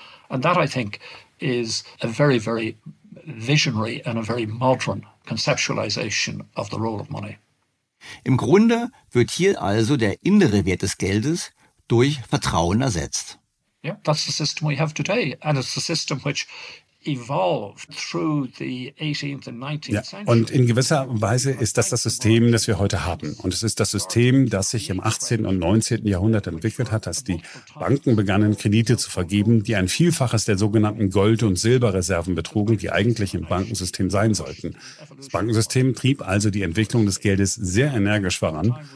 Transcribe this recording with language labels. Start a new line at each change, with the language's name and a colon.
English: And that, I think, is a very, very visionary and a very modern conceptualization of the role of money.
German: Im Grunde wird hier also der innere Wert des Geldes durch Vertrauen ersetzt.
English: Yeah, that's the system we have today, and it's the system which evolved through the 18th and 19th century.
German: Ja, und in gewisser Weise ist das das System, das wir heute haben. Und es ist das System, das sich im 18. und 19. Jahrhundert entwickelt hat, als die Banken begannen, Kredite zu vergeben, die ein Vielfaches der sogenannten Gold- und Silberreserven betrugen, die eigentlich im Bankensystem sein sollten. Das Bankensystem trieb also die Entwicklung des Geldes sehr energisch voran.